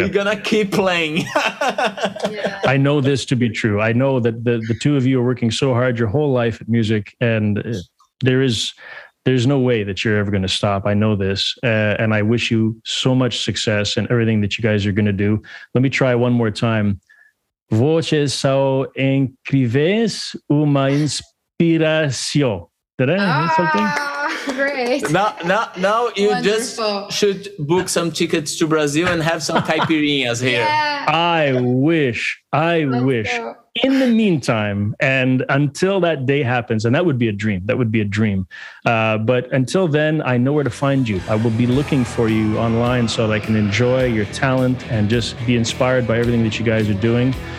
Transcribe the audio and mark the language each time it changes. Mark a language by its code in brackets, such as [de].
[en] we're going to keep playing. Yeah. I know this to be true. I know that the two of you are working so hard your whole life at music, and there's no way that you're ever going to stop. I know this. And I wish you so much success in everything that you guys are going to do. Let me try one more time. [pt] Voces são incríveis, uma inspiração. [en] Did I hear something? Great. Now you wonderful. Just should book some tickets to Brazil and have some caipirinhas here. Yeah. I wish. So. In the meantime, and until that day happens, and that would be a dream. That would be a dream. But until then, I know where to find you. I will be looking for you online so that I can enjoy your talent and just be inspired by everything that you guys are doing.